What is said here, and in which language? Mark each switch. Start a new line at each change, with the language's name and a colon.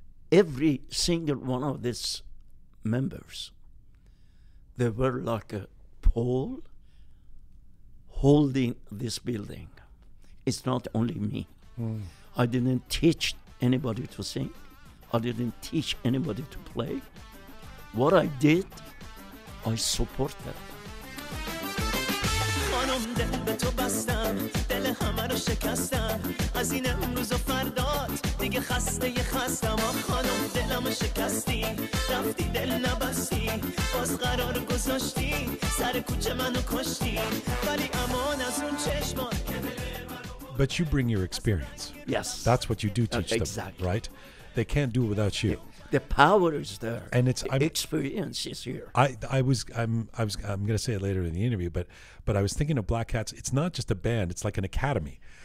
English: Every single one of these members, they were like a pole holding this building. It's not only me. Mm. I didn't teach anybody to sing. I didn't teach anybody to play. What I did, I supported them.
Persian: خانم دل به تو بستم دل همه رو شکستم از این امروز و فردات دیگه خسته یه خستم خانم دلم رو شکستی رفتی دل نبستی باز قرار گذاشتی سر کوچه منو کشتی ولی امان از اون چشمان.
English: But you bring your experience. Yes. That's what you do teach them, exactly. Right? They can't do it without you. The power is there. And it's the experience is here. I'm going to say it later in the interview, but I was thinking of Black Cats. It's not just a band. It's like an academy.